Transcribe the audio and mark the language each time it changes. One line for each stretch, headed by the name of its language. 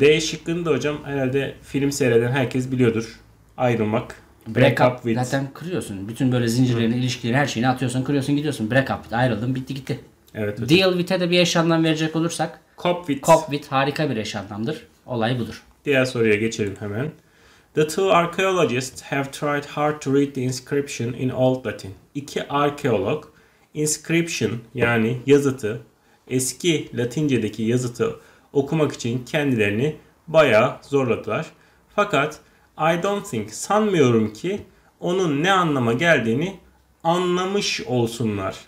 Turkish: D şıkkını da hocam herhalde film seyreden herkes biliyordur. Ayrılmak.
English: Break up with.
Turkish: Zaten kırıyorsun. Bütün böyle zincirlerini, ilişkilerini, her şeyini atıyorsun, kırıyorsun, gidiyorsun.
English: Break up with.
Turkish: Ayrıldın, bitti gitti. Evet. Hocam. Deal with'e de bir eş anlam verecek olursak.
English: Cop with
Turkish: harika bir eş anlamdır. Olay budur. Diğer soruya geçelim hemen.
English: The two archaeologists have tried hard to read the inscription in Old Latin.
Turkish: İki arkeolog, inscription yani yazıtı, eski Latince'deki yazıtı okumak için kendilerini bayağı zorladılar. Fakat sanmıyorum ki onun ne anlama geldiğini anlamış olsunlar.